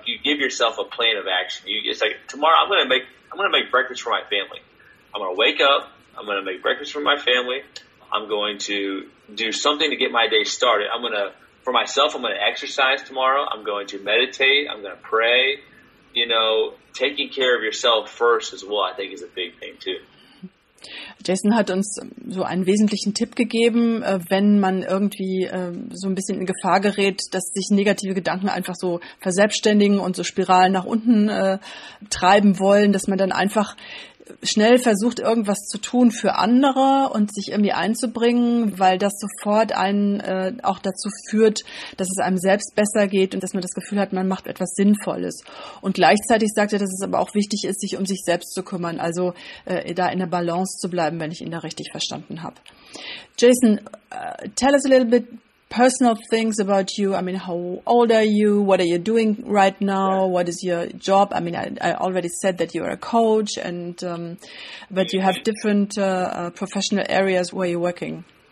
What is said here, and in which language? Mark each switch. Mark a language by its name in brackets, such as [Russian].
[English] Like, you give yourself a plan of action. It's like, tomorrow I'm going to make breakfast for my family. I'm going to wake up. I'm going to make breakfast for my family. I'm going to do something to get my day started. For myself, I'm going to exercise tomorrow. I'm going to meditate. I'm going to pray. You know, taking care of yourself first as well, I think, is a big thing too. [German] Jason hat uns so einen wesentlichen Tipp gegeben, wenn man irgendwie so ein bisschen in Gefahr gerät, dass sich negative Gedanken einfach so verselbstständigen und so Spiralen nach unten treiben wollen, dass man dann einfach schnell versucht, irgendwas zu tun für andere und sich irgendwie einzubringen, weil das sofort einen auch dazu führt, dass es einem selbst besser geht und dass man das Gefühl hat, man macht etwas Sinnvolles. Und gleichzeitig sagt er, dass es aber auch wichtig ist, sich um sich selbst zu kümmern, also da in der Balance zu bleiben, wenn ich ihn da richtig verstanden habe. [English] Jason, tell us a little bit personal things about you. I mean, how old are you? What are you doing right now? Yeah. What is your job? I mean, I already said that you are a coach, and but you have different professional areas where you're working.